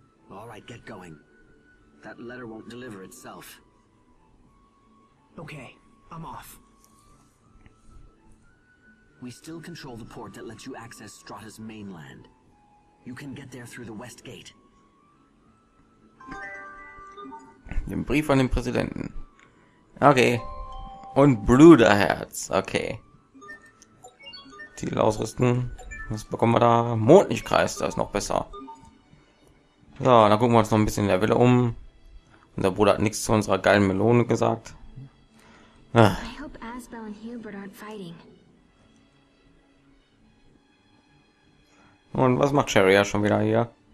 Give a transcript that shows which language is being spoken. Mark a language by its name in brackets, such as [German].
[English] All right, get going. That letter won't deliver itself. Okay, I'm off. We still control the port that lets you access Strata's mainland. You can get there through the West Gate. [German] Den Brief an den Präsidenten. Okay. Und Bruderherz, okay. Ziel ausrüsten. Was bekommen wir da? Mondlichtkreis, das ist noch besser. So, dann gucken wir uns noch ein bisschen in der Villa um. Unser Bruder hat nichts zu unserer geilen Melone gesagt. [English] I hope Asbel and Hubert aren't fighting. [German] Und was macht Sherry ja schon wieder hier?